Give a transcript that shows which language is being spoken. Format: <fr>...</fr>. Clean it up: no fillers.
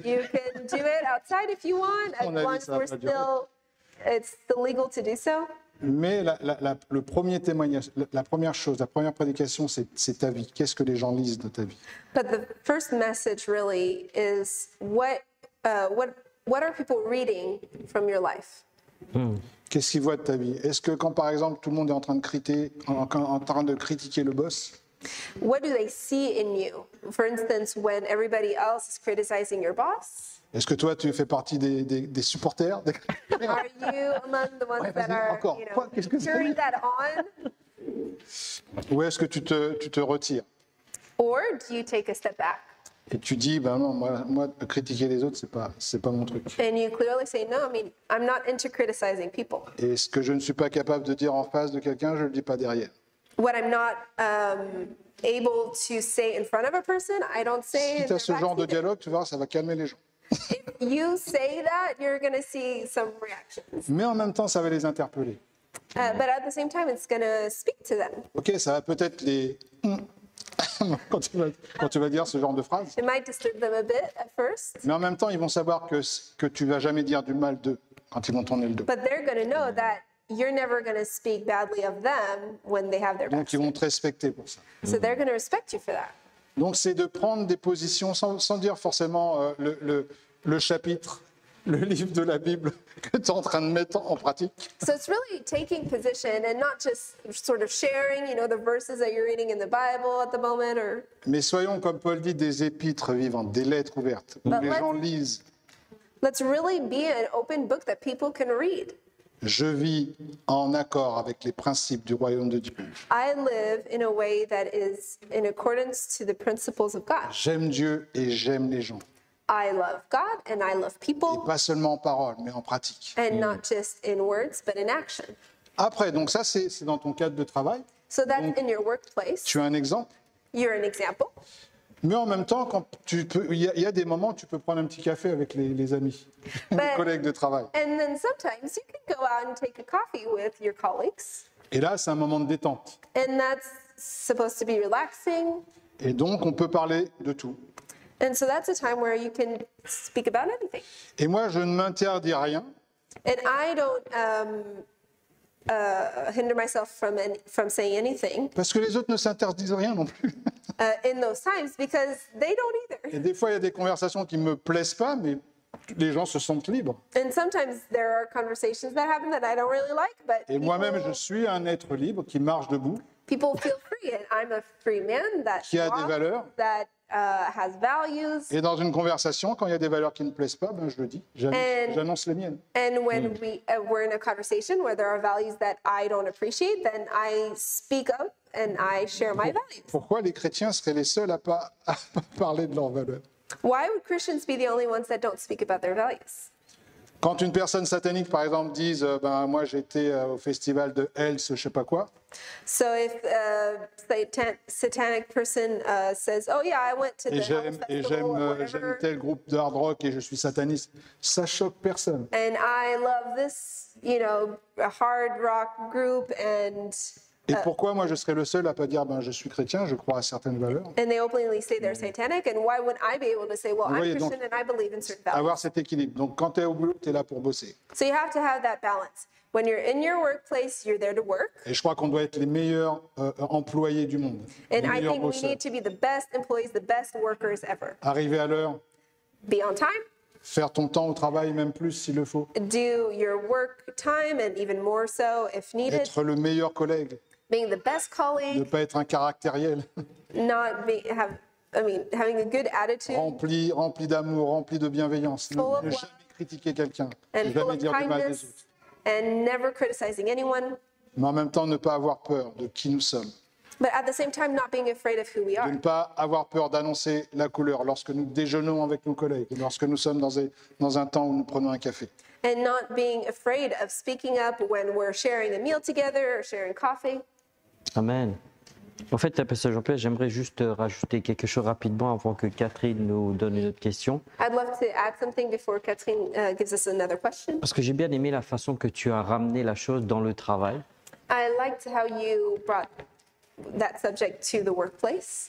<en>You can do it outside if you want, as long as we're still, it's legal to do so.</en> <fr>Mais le premier témoignage, la première chose, la première prédication, c'est ta vie. Qu'est-ce que les gens lisent de ta vie?</fr> <en>But the first message really is what are people reading from your life?</en> <fr>Qu'est-ce qu'ils voient de ta vie? Est-ce que quand, par exemple, tout le monde est en train de critiquer le boss?</fr> <en>What do they see in you? For instance, when everybody else is criticizing your boss?</en> <fr>Est-ce que toi, tu fais partie des supporters?</fr> <en>Are you among the ones that are,</en> <fr>encore.</fr> <en>You know,</en> <fr>qu'est-ce que</fr> <en>cheering that on?</en> <fr>Ou est-ce que tu te retires?</fr> <en>Or do you take a step back?</en> <fr>Et tu dis, ben non, moi critiquer les autres, c'est pas mon truc.</fr> <en>And you clearly say, no, I mean, I'm not into criticizing people.</en> <fr>Et ce que je ne suis pas capable de dire en face de quelqu'un, je le dis pas derrière.</fr> <en>What I'm not able to say in front of a person, I don't say.</en> <fr>Si tu as ce genre de dialogue, tu verras, ça va calmer les gens.</fr> <en>If you say that, you're going to see some reactions.</en> <fr>Mais en même temps, ça va les interpeller.</fr> <en>But at the same time, it's going to speak to them.</en> <fr>Ok, ça va peut-être les. quand tu vas dire ce genre de phrase.</fr> <en>It might disturb them a bit at first.</en> <fr>Mais en même temps, ils vont savoir que tu vas jamais dire du mal d'eux quand ils vont tourner le dos.</fr> <en>But they're going to know that you're never going to speak badly of them when they have their back.</en> <fr>Donc ils vont te respecter pour ça.</fr> <en>So they're going to respect you for that.</en> <fr>Donc c'est de prendre des positions sans dire forcément le chapitre, le livre de la Bible que tu es en train de mettre en pratique.</fr> <en>So it's really taking position and not just sort of sharing, you know, the verses that you're reading in the Bible at the moment. Or...</en> <fr>Mais soyons, comme Paul dit, des épîtres vivantes, des lettres ouvertes où les gens lisent.</fr> <en>Let's really be an open book that people can read.</en> <fr>Je vis en accord avec les principes du royaume de Dieu.</fr> <en>I live in a way that is in accordance to the principles of God.</en> <fr>J'aime Dieu et j'aime les gens.</fr> <en>I love God and I love people.</en> <fr>Et pas seulement en parole, mais en pratique.</fr> <en>And not just in words, but in action.</en> <fr>Après, donc ça c'est dans ton cadre de travail.</fr> <en>So that's in your workplace.</en> <fr>Tu es un exemple.</fr> <en>You're an example.</en> <fr>Mais en même temps, quand tu peux, il y a des moments où tu peux prendre un petit café avec les amis, les collègues de travail.</fr> <en>And then sometimes you can go out and take a coffee with your colleagues.</en> <fr>Et là, c'est un moment de détente.</fr> <en>And that's supposed to be relaxing.</en> <fr>Et donc, on peut parler de tout.</fr> <en>And so that's a time where you can speak about anything.</en> <fr>Et moi, je ne m'interdis rien.</fr> <en>And I don't hinder myself from saying anything.</en> <fr>Parce que les autres ne s'interdisent rien non plus.</fr> <en>In those times, because they don't either.</en> <fr>Et des fois, il y a des conversations qui ne me plaisent pas, mais les gens se sentent libres.</fr> <en>And sometimes there are conversations that happen that I don't really like, but.</en> <fr>Et moi-même, je suis un être libre qui marche debout.</fr> <en>People feel free, and I'm a free man that.</en> <fr>Qui a des valeurs.</fr> <en>That has values.</en> <fr>Et dans une conversation, quand il y a des valeurs qui ne plaisent pas, ben je le dis, j'annonce les miennes.</fr> <en>And when we're in a conversation where there are values that I don't appreciate, then I speak up. And I share my values.</en> <fr>Pourquoi les chrétiens seraient les seuls à pas parler de leurs valeurs?</fr> <en>Why would Christians be the only ones that don't speak about their values?</en> <fr>Quand une personne satanique, par exemple, dise, ben moi j'étais au festival de Hell's, je sais pas quoi.</fr> <en>So if a satanic person says, oh yeah, I went to the Hell's festival.</en> <fr>Et j'aime tel groupe de hard rock et je suis sataniste, ça choque personne.</fr> <en>And I love this, you know, hard rock group and.</en> <fr>Et pourquoi moi je serais le seul à pas dire ben je suis chrétien, je crois à certaines valeurs.</fr> <en>And they openly say they're satanic and why wouldn't I be able to say well I'm Christian</en> <fr>donc,</fr> <en>and I believe in certain values.</en> <fr>Avoir cet équilibre. Donc quand tu es au boulot, tu es là pour bosser.</fr> <en>So you have to have that balance. When you're in your workplace, you're there to work.</en> <fr>Et je crois qu'on doit être les meilleurs employés du monde.</fr> <en>And I</en> <fr>meilleurs</fr> <en>think</en> <fr>bosseurs.</fr> <en>We need to be the best employees, the best workers ever.</en> <fr>Arriver à l'heure.</fr> <en>Be on time.</en> <fr>Faire ton temps au travail, même plus s'il le faut.</fr> <en>Do your work time and even more so if needed.</en> <fr>Être le meilleur collègue.</fr> <en>Being the best colleague.</en> <fr>Ne pas être un caractériel.</fr> <en>Not be, have, I mean, having a good attitude.</en> <fr>Rempli d'amour, rempli de bienveillance. Ne jamais critiquer quelqu'un.</fr> <en>And</en> <fr>jamais dire du mal des autres.</fr> <en>And never criticizing anyone.</en> <fr>Mais en même temps, ne pas avoir peur de qui nous sommes.</fr> <en>But at the same time, not being afraid of who we are.</en> <fr>De ne pas avoir peur d'annoncer la couleur lorsque nous déjeunons avec nos collègues, lorsque nous sommes dans un temps où nous prenons un café.</fr> <en>And not being afraid of speaking up when we're sharing a meal together or sharing coffee. Amen.</en> <fr>En fait, Pasteur Jean-Pierre, j'aimerais juste rajouter quelque chose rapidement avant que Catherine nous donne une autre question.</fr> <en>I'd love to add something before Catherine gives us another question.</en> <fr>Parce que j'ai bien aimé la façon que tu as ramené la chose dans le travail.</fr> <en>I liked how you brought that subject to the workplace.</en>